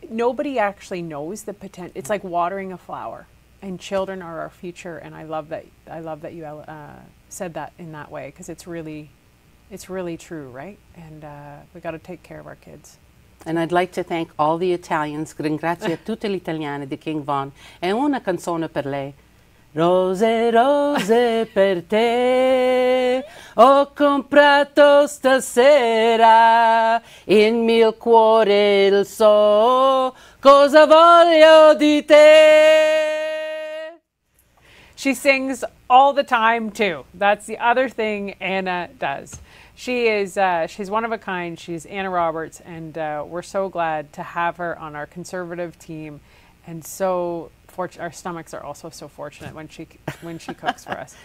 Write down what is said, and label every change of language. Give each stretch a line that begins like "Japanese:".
English: Nobody actually knows the potential. It's like watering a flower, and children are our future. And I love that you said that in that way, because it's really true, right? And we got to take care of our kids. And I'd like to thank all the Italians.
Italian: Ringrazio tutte le italiane di King Vaughan. E una canzone per lei. Rose, rose per te, ho comprato stasera, il mio cuore lo so, cosa voglio di te.
English: She sings all the time too. That's the other thing Anna does. She is, she's one of a kind. She's Anna Roberts, and we're so glad to have her on our conservative team, and so our stomachs are also so fortunate when she cooks for us.